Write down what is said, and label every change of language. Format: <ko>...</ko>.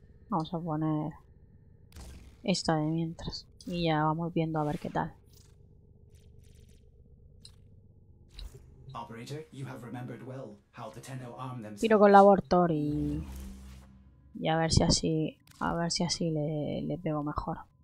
<es>Vamos a poner esta de mientras. Y ya vamos viendo a ver qué tal.</es> <en>Operator, you have remembered well how the Tenno armed themselves.</en> <es>Tiro con la Voltor y a ver si así le pego mejor.</es>